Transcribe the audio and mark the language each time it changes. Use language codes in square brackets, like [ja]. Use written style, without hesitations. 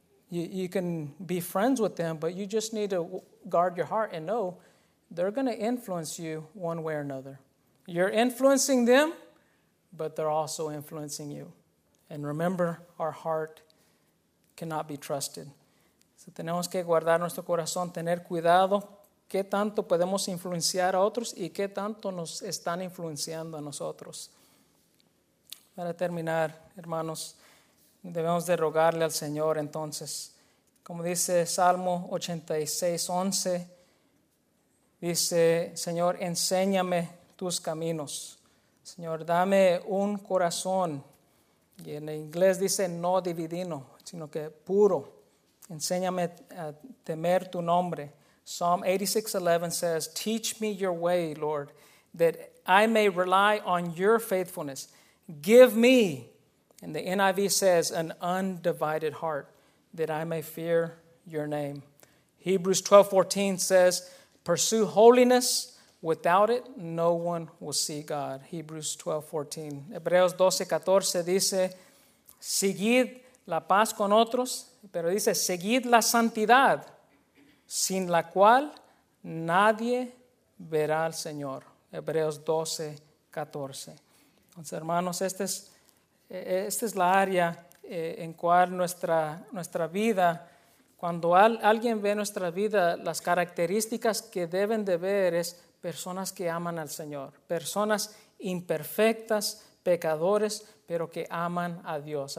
[en] You can be friends with them, but you just need to guard your heart and know they're going to influence you one way or another. You're influencing them, but they're also influencing you. And remember, our heart cannot be trusted. [es] So tenemos que guardar nuestro corazón, tener cuidado. ¿Qué tanto podemos influenciar a otros y qué tanto nos están influenciando a nosotros? Para terminar, hermanos, debemos de rogarle al Señor entonces. Como dice Salmo 86:11, dice, Señor, enséñame tus caminos. Señor, dame un corazón. Y en inglés dice no dividino, sino que puro. Enséñame a temer tu nombre. [en] Psalm 86:11 says, teach me your way, Lord, that I may rely on your faithfulness. Give me, and the NIV says, an undivided heart, that I may fear your name. Hebrews 12:14 says, pursue holiness. Without it, no one will see God. Hebrews 12:14. [es] Hebreos 12:14 dice, seguid la paz con otros, pero dice, seguid la santidad. Sin la cual nadie verá al Señor. Hebreos 12:14. Entonces, hermanos, esta es la área en cual nuestra vida, cuando alguien ve nuestra vida, las características que deben de ver es personas que aman al Señor, personas imperfectas, pecadores, pero que aman a Dios.